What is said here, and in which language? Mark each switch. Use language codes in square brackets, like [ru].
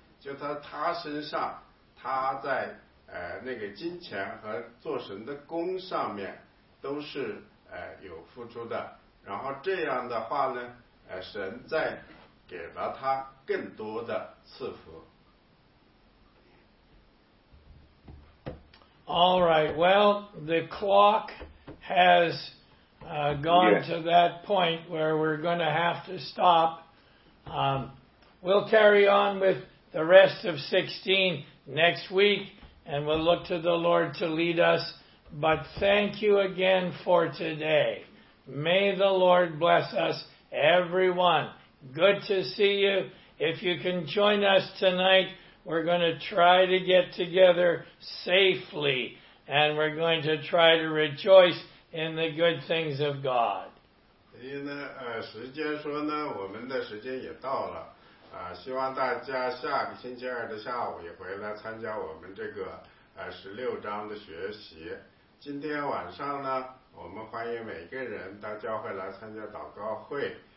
[zh] 就他身上，他在那个金钱和做神的工上面都是有付出的，然后这样的话呢，神再给了他更多的赐福。 [en] All right, well, the clock has gone to that point where we're going to have to stop. We'll carry on with the rest of 16 next week. And we'll look to the Lord to lead us. But thank you again for today. May the Lord bless us, everyone. Good to see you. If you can join us tonight, we're going to try to get together safely. And we're going to try to rejoice in the good things of God. [zh] 因为时间说呢，我们的时间也到了。希望大家下个星期二的下午也回来参加我们这个16章的学习。今天晚上呢，我们欢迎每个人到教会来参加祷告会。